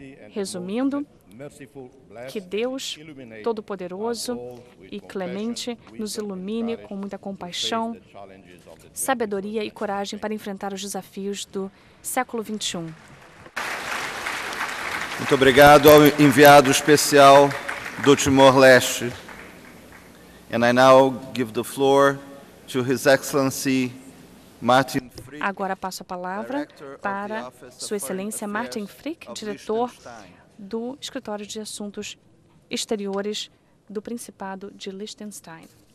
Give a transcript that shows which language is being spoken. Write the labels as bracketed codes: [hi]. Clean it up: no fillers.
[pt] Resumindo, que Deus Todo-Poderoso e Clemente nos ilumine com muita compaixão, sabedoria e coragem para enfrentar os desafios do século XXI. Muito obrigado ao enviado especial do Timor-Leste. [en] And I now give the floor to His Excellency Martin Frick. [pt] Agora passo a palavra para Sua Excelência Martin Frick, diretor do Escritório de Assuntos Exteriores do Principado de Liechtenstein.